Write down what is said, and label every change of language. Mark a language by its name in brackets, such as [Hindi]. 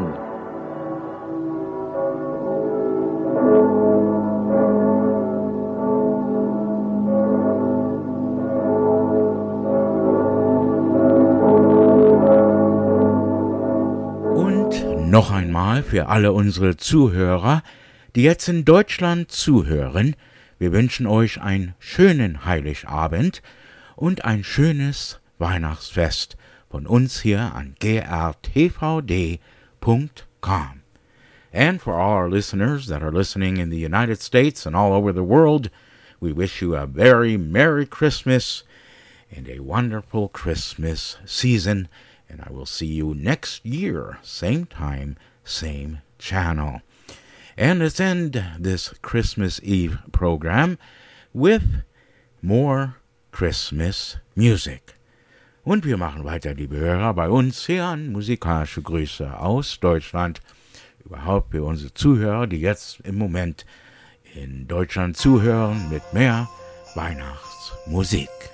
[German] Und noch einmal für alle unsere Zuhörer, die jetzt in Deutschland zuhören, wir wünschen euch einen schönen Heiligabend und ein schönes Weihnachtsfest von uns hier an grtvd.com. [English] And for all our listeners that are listening in the United States and all over the world, we wish you a very Merry Christmas and a wonderful Christmas season. And I will see you next year, same time, same channel. And let's end this Christmas Eve program with more Christmas Music. [German] Und wir machen weiter, liebe Hörer, bei uns hier an musikalische Grüße aus Deutschland. Überhaupt für unsere Zuhörer, die jetzt im Moment in Deutschland zuhören mit mehr Weihnachtsmusik.